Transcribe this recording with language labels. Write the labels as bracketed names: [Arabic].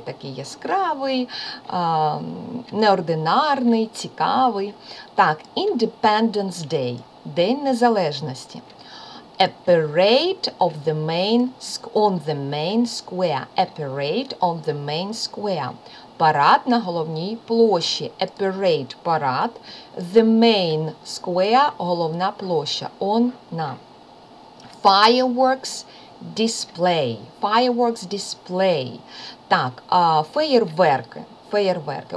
[Ukrainian] Такий яскравий, неординарний, цікавий. Так, Independence Day, День Незалежності. [English] A parade of the main, on the main square. A parade on the main square. [Ukrainian] Парад на головній площі. [English] A parade – парад. The main square – [Ukrainian] головна площа. [English] On – на. Fireworks display. Fireworks display. [Ukrainian] Так, феєрверки. феєрверки.